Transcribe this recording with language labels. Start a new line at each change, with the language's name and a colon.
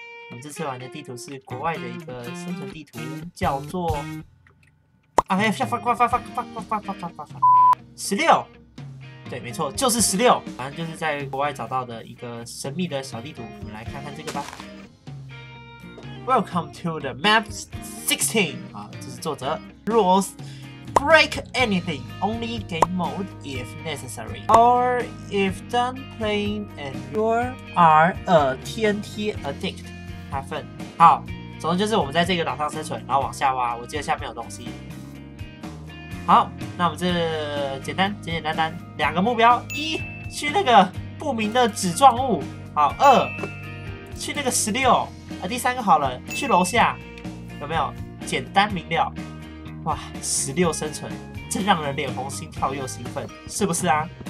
Chinese: 我们这次玩的地图是国外的一个生存地图，叫做……啊，哎呀，发发发发发发发发发发发十六。对，没错，就是十六。反正就是在国外找到的一个神秘的小地图，我们来看看这个吧。
English: Welcome to the map 16.
Chinese: 啊，这是作者。
English: Rules: Break anything, only game mode if necessary, or if done playing and you are a TNT addict.
Chinese: 开分。好，总之就是我们在这个岛上生存，然后往下挖。我记得下面有东西。好，那我们这简简单单两个目标：一，去那个不明的纸状物；好，二，去那个十六。第三个好了，去楼下，有没有？简单明了，哇，十六生存，真让人脸红、心跳又兴奋，是不是啊？